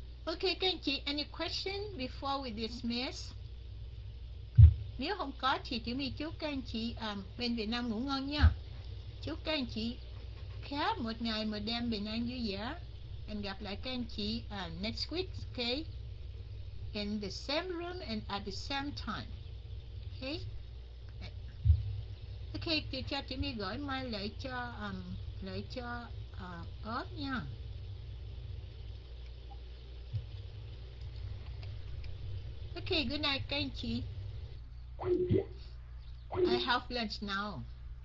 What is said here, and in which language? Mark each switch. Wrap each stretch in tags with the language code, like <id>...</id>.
<en>Okay,</en> <vi>các anh chị,</vi> <en>any question before we dismiss?</en> <vi>Nếu không có thì Tiểu My chúc các anh chị bên Việt Nam ngủ ngon nha. Chúc các anh chị khép một ngày một đêm bình an vui vẻ. And gặp lại các anh chị</vi> <en>next week,</en> <vi>okay?</vi> <en>In the same room and at the same time, okay?</en> <vi>Okay, thì cho Tiểu My gửi mail lại cho ớt nha.</vi> <en>Okay, good night, can't you? I have lunch now.</en>